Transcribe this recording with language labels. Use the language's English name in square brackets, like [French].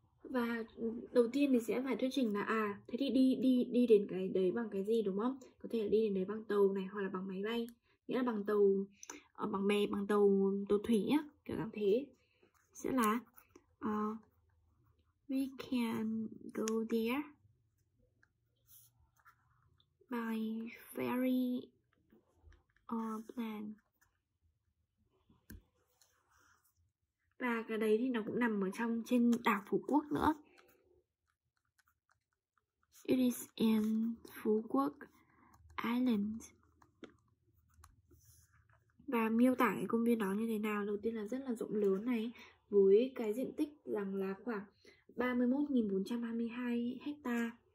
[Vietnamese] Và đầu tiên thì sẽ phải thuyết trình là thế thì đi đến cái đấy bằng cái gì đúng không? Có thể là đi đến đấy bằng tàu này hoặc là bằng máy bay, nghĩa là bằng tàu, bằng bè, bằng tàu thủy á, kiểu dạng thế. [English] Sẽ là we can go there by ferry or plane. [Vietnamese] Và cái đấy thì nó cũng nằm ở trong trên đảo Phú Quốc nữa. [English] It is in Phú Quốc Island. [Vietnamese] Và miêu tả cái công viên đó như thế nào? Đầu tiên là rất là rộng lớn này, với cái diện tích rằng là khoảng 31.422 ha.